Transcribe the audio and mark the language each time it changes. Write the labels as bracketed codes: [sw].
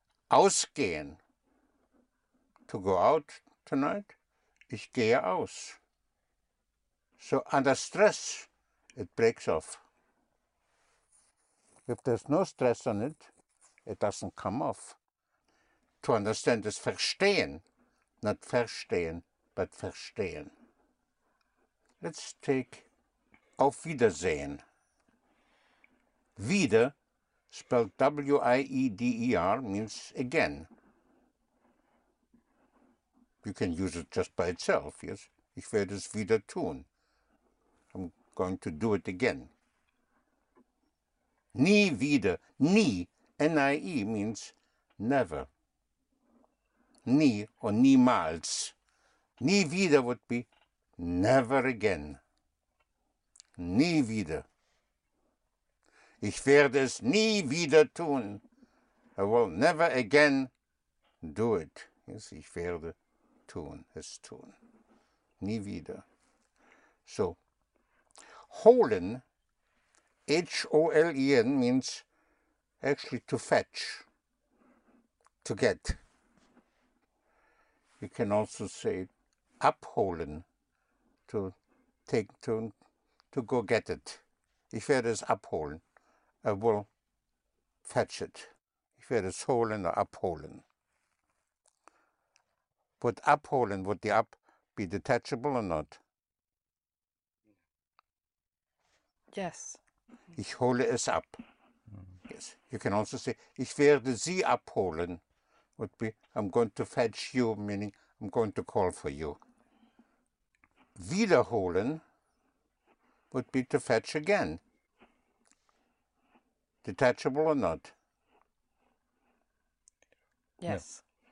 [en] Ausgehen, to go out tonight, [de] ich gehe aus. [en] So under stress, it breaks off. If there's no stress on it, it doesn't come off. To understand is verstehen, not verstehen, but verstehen. Let's take auf Wiedersehen. Wieder, spelled W-I-E-D-E-R, means again. You can use it just by itself, yes? [de] Ich werde es wieder tun. [en] I'm going to do it again. Nie wieder, nie, N-I-E, means never. [de] Nie [en] or [de] niemals. [en] Nie wieder would be never again. [de] Nie wieder. Ich werde es nie wieder tun. [en] I will never again do it. Yes, [de] ich werde tun, es tun. Nie wieder. [en] So, holen, H-O-L-E-N, means actually to fetch, to get. You can also say abholen. To go get it. [de] Ich werde es abholen. [en] I will fetch it. [de] Ich werde es holen [en] or [de] abholen. [en] Would abholen, would the up be detachable or not? Yes. [de] Ich hole es ab. [en] Yes. You can also say, [de] ich werde sie abholen. [en] Would be, I'm going to fetch you, meaning I'm going to call for you. Wiederholen would be to fetch again. Detachable or not? Yes.